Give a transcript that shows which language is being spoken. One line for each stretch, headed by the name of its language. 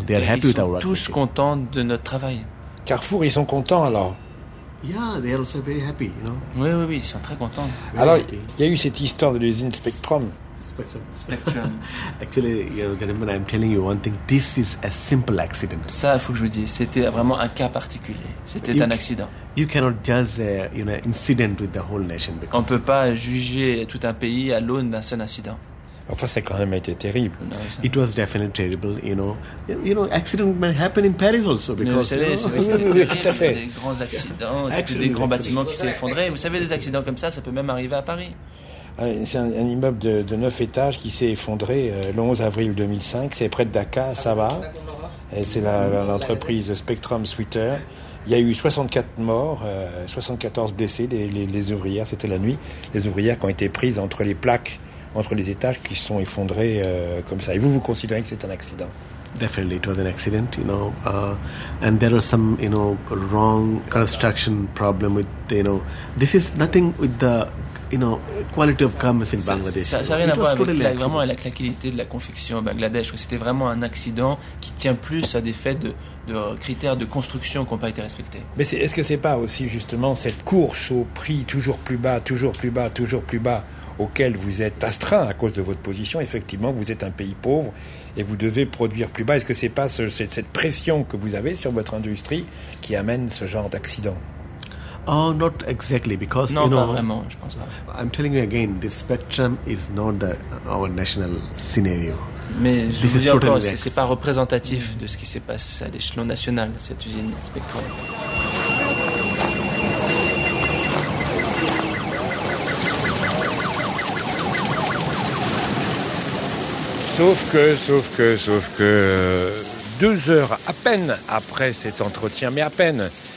English: They are happy with our
French: workmanship. Ils sont tous contents de notre travail. Carrefour, ils sont contents alors.
English: Yeah, they are also very happy, you know.
French: Oui, ils sont très contents. Alors, il y a eu cette histoire de l'usine Spectrum. Spectrum.
English: Actually, you know, gentlemen, I'm telling you one thing. This is a simple accident.
French: Ça, il faut que je vous dise, c'était vraiment un cas particulier. C'était un accident.
English: You cannot judge, you know, incident with the whole nation.
French: Because on peut pas juger tout un pays à l'aune d'un seul incident. Enfin, ça a quand même été terrible. Non,
English: it was definitely terrible, you know. You know, accident may happen in Paris also because.
French: Mais vous savez, c'est des grands accidents, des grands bâtiments qui s'effondraient. Vous savez, des accidents comme ça peut même arriver à Paris. C'est un immeuble de 9 étages qui s'est effondré le 11 avril 2005. C'est près de Dakar, ça va. Et c'est l'entreprise Spectrum Sweater. Il y a eu 64 morts, 74 blessés, les ouvrières, c'était la nuit. Les ouvrières qui ont été prises entre les plaques, entre les étages, qui se sont effondrées comme ça. Et vous considérez que c'est un accident?
English: Definitely, it was an accident, you know. And there was some, you know, wrong construction problem with, you know, this is nothing with the, you know, quality of commerce in Bangladesh.
French: Ça rien à voir vraiment avec la qualité de la confection au Bangladesh. C'était vraiment un accident qui tient plus à des faits de critères de construction qui n'ont pas été respectés. Mais est-ce que ce n'est pas aussi justement cette course au prix toujours plus bas, toujours plus bas, toujours plus bas, auquel vous êtes astreint à cause de votre position? Effectivement, vous êtes un pays pauvre et vous devez produire plus bas. Est-ce que ce n'est pas cette pression que vous avez sur votre industrie qui amène ce genre d'accident?
English: Oh, not exactly, because
French: non,
English: you know.
French: Pas vraiment, je pense pas.
English: I'm telling you again, this spectrum is not our national scenario.
French: Mais je vous dis encore, c'est pas représentatif de ce qui s'est passé à l'échelon national, cette usine Spectrum. Sauf que, 2 heures à peine après cet entretien, mais à peine.